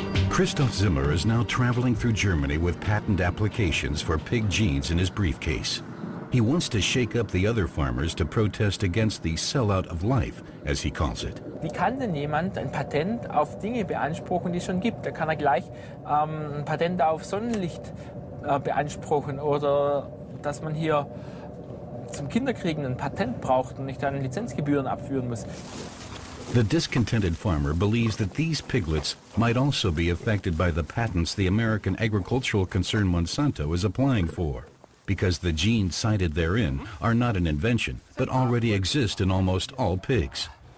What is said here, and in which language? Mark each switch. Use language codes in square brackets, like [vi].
[en] Christoph Zimmer is now traveling through Germany with patent applications for pig genes in his briefcase. He wants to shake up the other farmers to protest against the sellout of life, as he calls it. [de] Wie kann denn jemand ein Patent auf Dinge beanspruchen, die es schon gibt? Da kann er gleich ein Patent auf Sonnenlicht beanspruchen oder dass man hier zum Kinderkriegen ein Patent braucht und nicht dann Lizenzgebühren abführen muss. [en] The discontented farmer believes that these piglets might also be affected by the patents the American agricultural concern Monsanto is applying for, because the genes cited therein are not an invention, but already exist in almost all pigs.